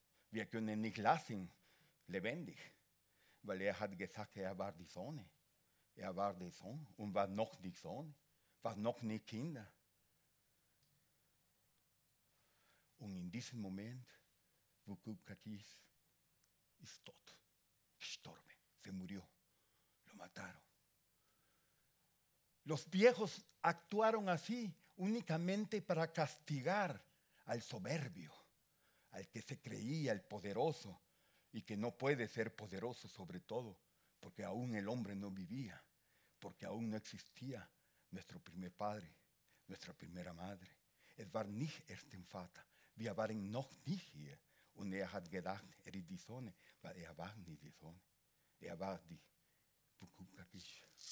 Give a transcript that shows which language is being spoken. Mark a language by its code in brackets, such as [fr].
[de] Wir können nicht lassen, lebendig. Weil er hat gesagt, er war die Sonne. Er war der Sohn und war noch nicht Sohn. War noch nicht Kinder. Und in diesem Moment, Wukub Kakish ist tot. [es] Gestorben. Se murió. Lo mataron. Los viejos actuaron así únicamente para castigar al soberbio, al que se creía el poderoso y que no puede ser poderoso sobre todo, porque aún el hombre no vivía, porque aún no existía nuestro primer padre, nuestra primera madre. [de] Es war nicht erst im Vater, wir waren noch nicht hier. Und hat gedacht, ist die Sonne, weil war nicht die Sonne, war die Wukub Kakish.